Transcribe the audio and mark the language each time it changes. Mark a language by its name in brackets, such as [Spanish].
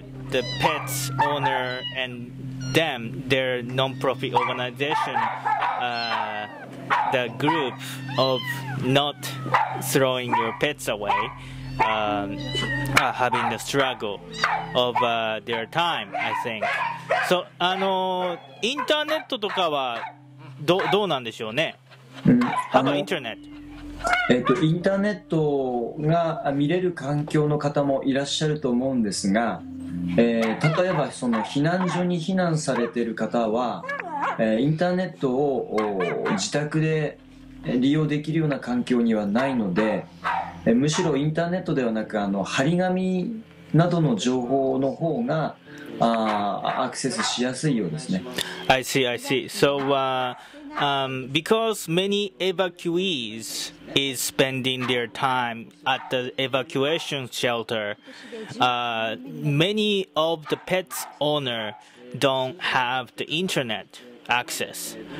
[English] The pet's owner and them, their non-profit organization, the group of not throwing your pets away, are having the struggle of their time, I think. [Japanese] So, インターネットとかはどうなんでしょうね。 [English] How about internet? [Japanese] インターネットが見れる環境の方もいらっしゃると思うんですが、例えばその避難所に避難されている方は、インターネットを自宅で利用できるような環境にはないので、むしろインターネットではなく、あの張り紙などの情報の方がアクセスしやすいようですね。 [English] I see, I see. So, because many evacuees is spending their time at the evacuation shelter, many of the pet's owner don't have the internet access.